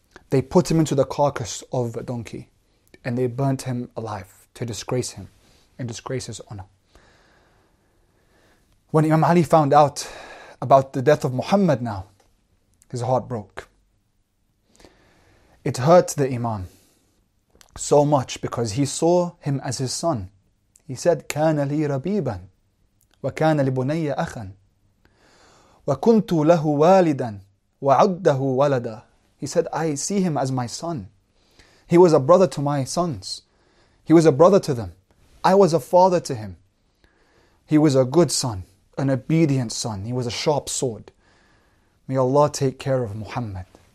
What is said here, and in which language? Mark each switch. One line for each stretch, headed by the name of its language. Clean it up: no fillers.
English: They put him into the carcass of a donkey. And they burnt him alive to disgrace him and disgrace his honor. When Imam Ali found out about the death of Muhammad now, his heart broke. It hurt the Imam so much because he saw him as his son. He said,
Arabic: كَانَ لِي رَبِيبًا وَكَانَ لِبُنَيَّ أَخًا وَكُنْتُ لَهُ وَالِدًا وَعُدَّهُ وَلَدًا.
English: He said, I see him as my son. He was a brother to my sons. He was a brother to them. I was a father to him. He was a good son, an obedient son. He was a sharp sword. May Allah take care of Muhammad.